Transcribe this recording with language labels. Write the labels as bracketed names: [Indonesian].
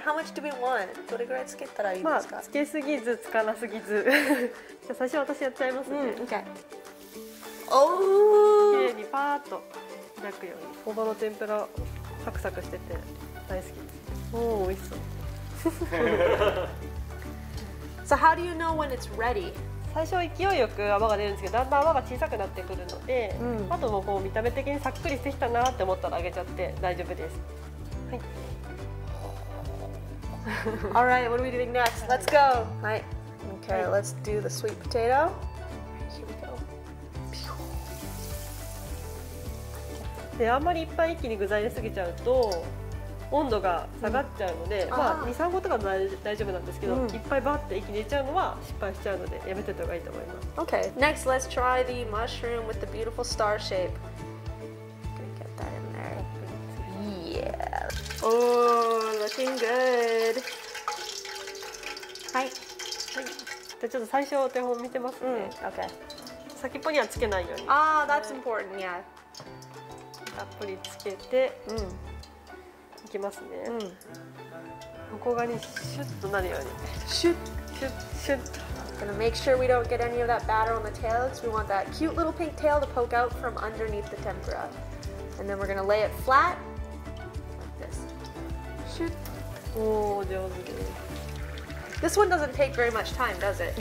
[English] How much do we want? どれぐらいつけたらいいですか。 [Japanese] まあ、つけすぎず、つかなすぎず。じゃあ最初私やっちゃいますね、 [English] うん、OK! Oh! [Japanese] 綺麗にパーッと開くように。大葉の天ぷら、サクサクしてて大好きです。おー、美味しそう。 [English] So how do you know when it's ready? [Japanese] 最初勢いよく泡が出るんですけど、だんだん泡が小さくなってくるので、うん、あともこう見た目的にさっくりしてきたなって思ったら揚げちゃって大丈夫です。 [English] はい。All right, what are we doing next? Let's go! [Japanese] はい。 [English] Okay, let's do the sweet potato. Here we go. [Japanese] で、あんまりいっぱい一気に具材入れすぎちゃうと、温度が下がっちゃうので、うん、まあ、2、3個とか大丈夫なんですけど、うん、いっぱいバッて一気に入れちゃうのは失敗しちゃうのでやめてた方がいいと思います。 [English] Next, let's try the mushroom with the beautiful star shape. Gonna get that in there. Yeah! Oh, looking good! はい、 [Japanese] はい、じゃあちょっと最初お手本見てますね、 [English] うん、OK! [Japanese] 先っぽにはつけないように。 [English] Ah, that's important, yeah! [Japanese] たっぷりつけて、うん、いきますね、うん、ここがにシュッとなるように、シュッシュッシュッ。 [English] Gonna make sure we don't get any of that batter on the tail, because we want that cute little pink tail to poke out from underneath the tempura. And then we're gonna lay it flat like this. [Japanese] シュッ。おー、上手です。 [English] This one doesn't take very much time, does it?